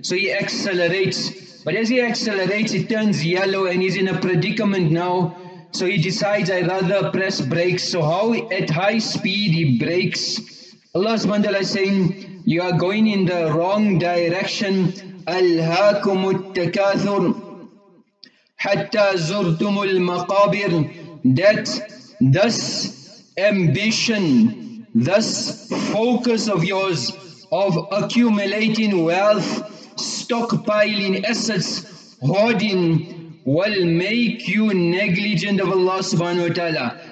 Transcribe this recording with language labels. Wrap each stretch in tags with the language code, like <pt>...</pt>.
<en>So he accelerates. But as he accelerates, it turns yellow and he's in a predicament now. So he decides, I'd rather press brakes. So how at high speed he brakes. Allah subhanahu wa ta'ala is saying, you are going in the wrong direction.</en> <ar>أَلْهَاكُمُ التَّكَاثُرُ حَتَّى زُرْتُمُ الْمَقَابِرُ.</ar> <en>That this ambition, this focus of yours of accumulating wealth, stockpiling assets, hoarding, will make you negligent of Allah subhanahu wa ta'ala.</en>